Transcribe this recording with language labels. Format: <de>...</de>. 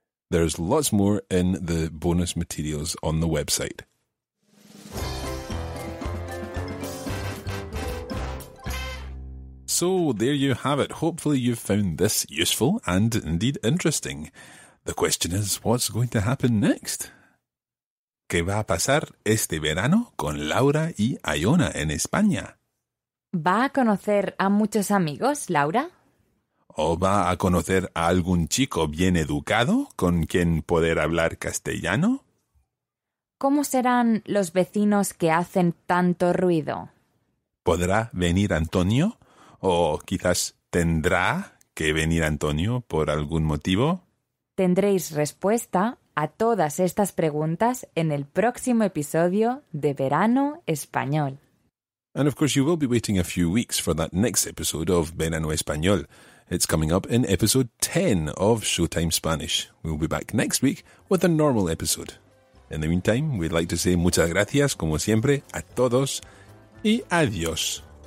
<en>There's lots more in the bonus materials on the website. So there you have it. Hopefully you've found this useful and indeed interesting. The question is, what's going to happen next?</en> <es>¿Qué va a pasar este verano con Laura y Iona en España? ¿Va a conocer a muchos amigos, Laura? ¿O va a conocer a algún chico bien educado con quien poder hablar castellano? ¿Cómo serán los vecinos que hacen tanto ruido? ¿Podrá venir Antonio? ¿O quizás tendrá que venir Antonio por algún motivo? Tendréis respuesta a todas estas preguntas en el próximo episodio de Verano Español.</es> <en>And of course you will be waiting a few weeks for that next episode of Verano Español. It's coming up in episode 10 of Showtime Spanish. We'll be back next week with a normal episode. In the meantime, we'd like to say</en> <es>muchas gracias, como siempre, a todos y adiós.</es>